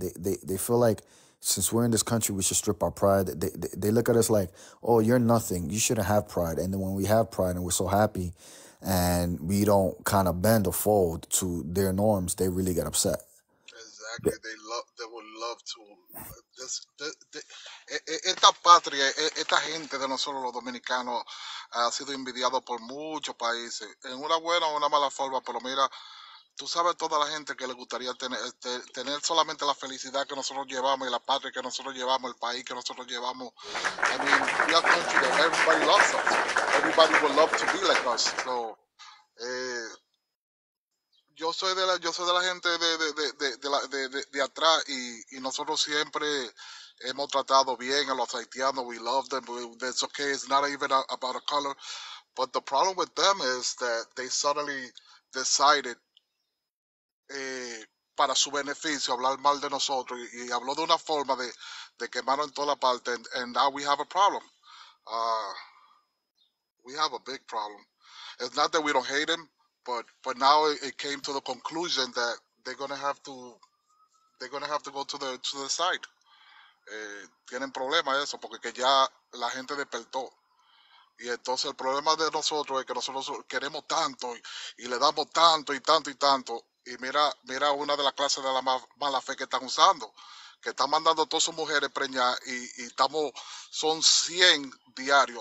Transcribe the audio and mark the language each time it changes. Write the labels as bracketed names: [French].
[English] They feel like since we're in this country, we should strip our pride. They look at us like, oh, you're nothing. You shouldn't have pride. And then when we have pride and we're so happy, and we don't kind of bend or fold to their norms, they really get upset. Exactly. Yeah. They would love to. [Spanish] Esta patria, esta gente de nosotros los dominicanos ha sido envidiado por muchos países. En una buena o una mala forma, pero mira, tú sabes toda la gente que le gustaría tener solamente la felicidad que nosotros llevamos y la patria que nosotros llevamos, el país que nosotros llevamos. [English] I mean, we are country that everybody loves us. Everybody would love to be like us. [Spanish] So, yo soy de la gente de atrás y nosotros siempre hemos tratado bien a los haitianos. [English] We love them. That's okay. It's not even about a color. But the problem with them is that they suddenly decided [Spanish] para su beneficio hablar mal de nosotros y habló de una forma de quemaron toda la parte [English] and now we have a problem. We have a big problem. It's not that we don't hate him, but now it came to the conclusion that they're gonna have to go to the side. [Spanish] Tienen problema eso porque que ya la gente despertó. Y entonces el problema de nosotros es que nosotros queremos tanto y le damos tanto y tanto y tanto. Y mira una de las clases de la mala fe que están usando, que están mandando a todas sus mujeres preñar y estamos, son 100 diarios.